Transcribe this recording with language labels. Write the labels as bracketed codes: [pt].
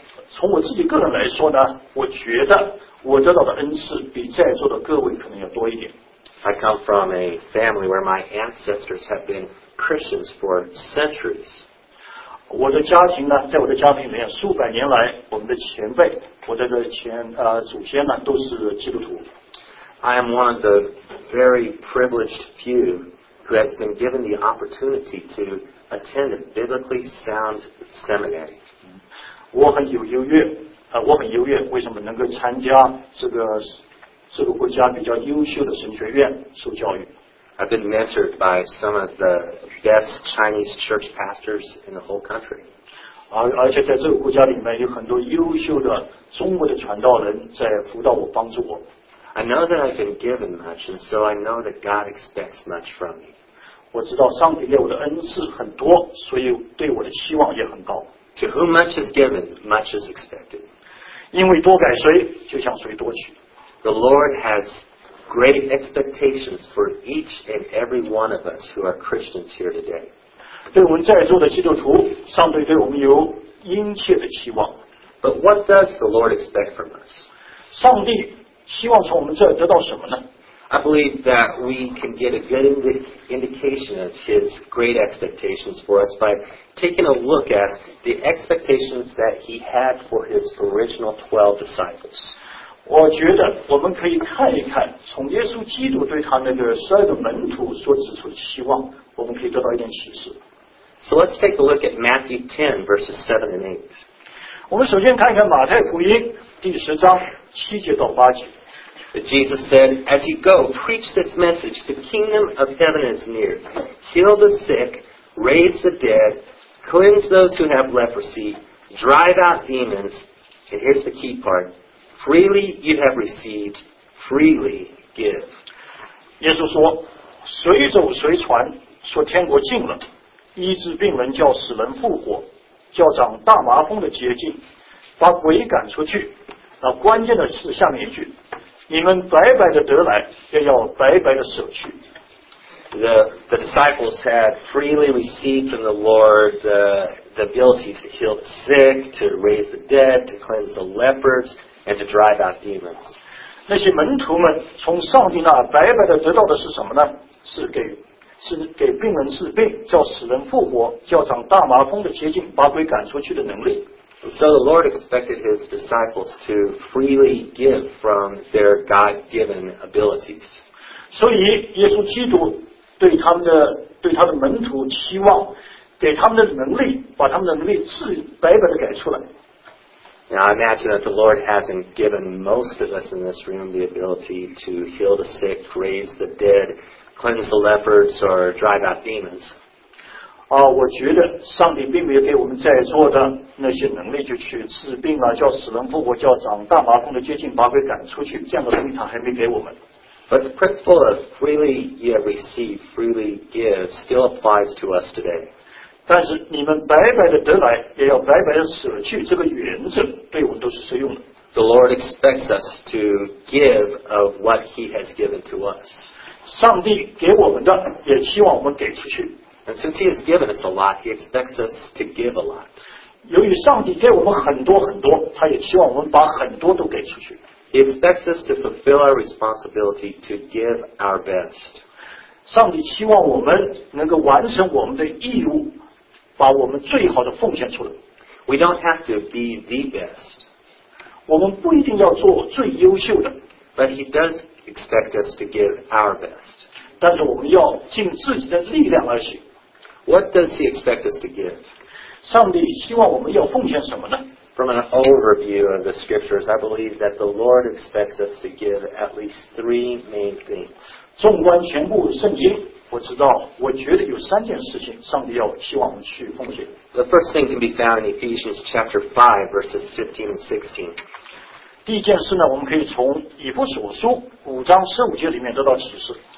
[zh] 从我自己个人来说呢，我觉得我得到的恩赐比在座的各位可能要多一点。 [en] I come from a family where my ancestors have been Christians for centuries. [zh] 我的家庭呢，在我的家庭里面，数百年来，我们的前辈，我的祖先呢，都是基督徒。 [en] I am one of the very privileged few who has been given the opportunity to attend a biblically sound seminary. [zh] 我很有优越，我很优越，为什么能够参加这个国家比较优秀的神学院受教育。 [en] I've been mentored by some of the best Chinese church pastors in the whole country. [zh] 而且在这个国家里面有很多优秀的中国的传道人在辅导我帮助我。 [en] I know that I've been given much, and so I know that God expects much from me. [zh] 我知道上帝给我的恩赐很多，所以对我的期望也很高。 [en] To whom much is given, much is expected. [zh] 因为多给谁，就像谁多取。 [en] The Lord has great expectations for each and every one of us who are Christians here today. [zh] 对我们在座的基督徒，上帝对我们有殷切的期望。 [en] But what does the Lord expect from us? [zh] 上帝希望从我们这得到什么呢？ [en] I believe that we can get a good indication of His great expectations for us by taking a look at the expectations that He had for His original 12 disciples. [zh] 我觉得我们可以看一看从耶稣基督对他那个十二个门徒所指出的希望，我们可以得到一点启示。 [en] So let's take a look at Matthew 10, verses 7 and 8. [zh] 我们首先看一看马太福音第十章七节到八节。 [en] But Jesus said, as you go, preach this message, the kingdom of heaven is near. Heal the sick, raise the dead, cleanse those who have leprosy, drive out demons, and here's the key part, freely you have received, freely give. [zh] 耶稣说，谁走谁传，说天国近了，医治病人，叫死人复活，叫长大麻风的洁净，把鬼赶出去。那关键的是下面一句，你们白白的得来，也要白白的舍去。 [en] The disciples had freely received from the Lord the abilities to heal the sick, to raise the dead, to cleanse the lepers, and to drive out demons. [zh] 那些门徒们从上帝那白白的得到的是什么呢？是给病人治病，叫死人复活，叫长大麻风的洁净，把鬼赶出去的能力。 [en] So the Lord expected His disciples to freely give from their God-given abilities. [zh] 所以耶稣基督对他的门徒期望，给他们的能力，把他们的能力治白白的给出来。 [en] Now I imagine that the Lord hasn't given most of us in this room the ability to heal the sick, raise the dead, cleanse the lepers, or drive out demons. [zh] 我觉得上帝并没有给我们在座的那些能力就去治病啊，叫死人复活，叫长大麻风的接近，把鬼赶出去，这样的能力他还没给我们。 [en] But the principle of freely ye receive, freely give still applies to us today. [zh] 但是你们白白的得来，也要白白的舍去，这个原则对我们都是适用的。 [en] The Lord expects us to give of what He has given to us. [zh] 上帝给我们的，也希望我们给出去。 [en] And since He has given us a lot, He expects us to give a lot. [zh] 由于上帝给我们很多很多，他也希望我们把很多都给出去。 [en] He expects us to fulfill our responsibility to give our best. [zh] 上帝希望我们能够完成我们的义务，把我们最好的奉献出来。 [en] We don't have to be the best. [zh] 我们不一定要做最优秀的。 [en] But He does expect us to give our best. [zh] 但是我们要尽自己的力量而行。 [en] What does He expect us to give? [zh] 上帝希望我们要奉献什么呢？ [en] From an overview of the scriptures, I believe that the Lord expects us to give at least three main things. [zh] 纵观全部圣经，我觉得有三件事情上帝要希望我们去奉献。 [en] The first thing can be found in Ephesians chapter 5, verses 15 and 16. [zh] 第一件事呢，我们可以从以弗所书五章十五节里面得到启示。